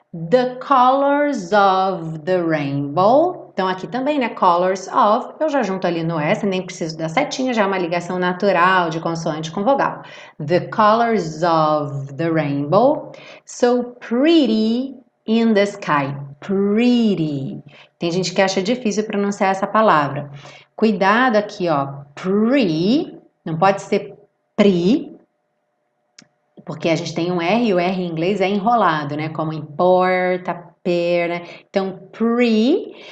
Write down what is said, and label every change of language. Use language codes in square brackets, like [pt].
[en] The colors of the rainbow. [pt] Então, aqui também, né? [en] Colors of. [pt] Eu já junto ali no S, nem preciso da setinha, já é uma ligação natural de consoante com vogal. [en] The colors of the rainbow. So pretty in the sky. Pretty. [pt] Tem gente que acha difícil pronunciar essa palavra. Cuidado aqui, ó. Pretty. Não pode ser pre. Porque a gente tem um R e o R em inglês é enrolado, né? Como em porta, perna. Então, pre.